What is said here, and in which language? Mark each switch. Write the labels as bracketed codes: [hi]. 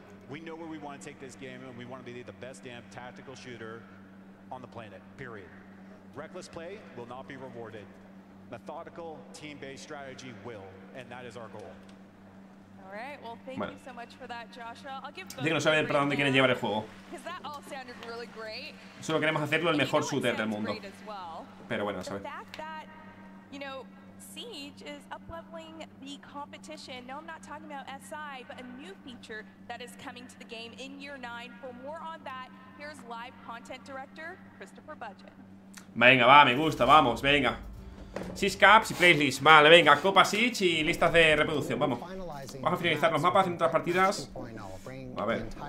[en] We know where we want to take this game, and we want to be the best damn tactical shooter on the planet, period. Reckless play will not be rewarded. Methodical, team-based strategy will, and that is our goal. All right, well, thank you so much for that, Joshua. I'll give both of you a break now, because that all sounded really great. [es] Solo queremos hacerlo el mejor shooter del mundo. [en] Well. [es] Pero bueno, [en] the fact that, you know, Siege is upleveling the competition. No, I'm not talking about SI, but a new feature that is coming to the game in year 9. For more on that, here's live content director Christopher Budget. [es] Venga, va, me gusta, vamos, venga. Siege Caps y Playlist. Vale, venga, Copa Siege y listas de reproducción, vamos. Vamos a finalizar los mapas en otras partidas. A ver.